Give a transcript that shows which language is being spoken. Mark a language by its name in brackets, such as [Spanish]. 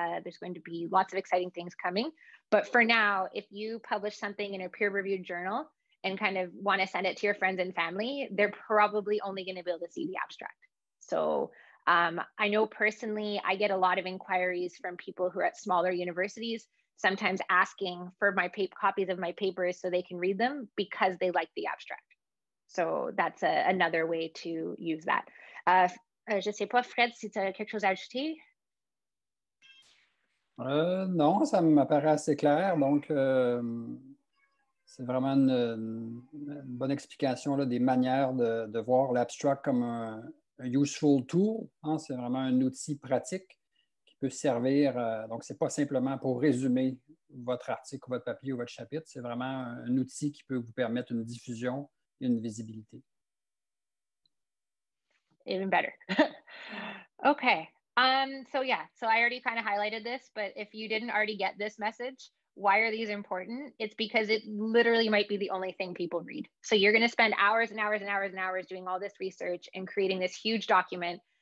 [English] There's going to be lots of exciting things coming. But for now, if you publish something in a peer-reviewed journal and kind of want to send it to your friends and family, they're probably only going to be able to see the abstract. So I know personally, I get a lot of inquiries from people who are at smaller universities, sometimes asking for my copies of my papers so they can read them because they like the abstract. So that's another way to use that. [French] Je ne sais pas, Fred, si tu as quelque chose à ajouter? Non, ça m'apparaît assez clair. Donc, c'est vraiment une bonne explication là, des manières de voir l'abstract comme un [English] useful tool. [French] Hein? C'est vraiment un outil pratique qui peut servir. Donc, ce n'est pas simplement pour résumer votre article ou votre papier ou votre chapitre. C'est vraiment un outil qui peut vous permettre une diffusion et une visibilité. [English] Even better. Okay. So I already kind of highlighted this, but if you didn't already get this message, why are these important? It's because it literally might be the only thing people read. So you're going to spend hours and hours and hours and hours doing all this research and creating this huge document.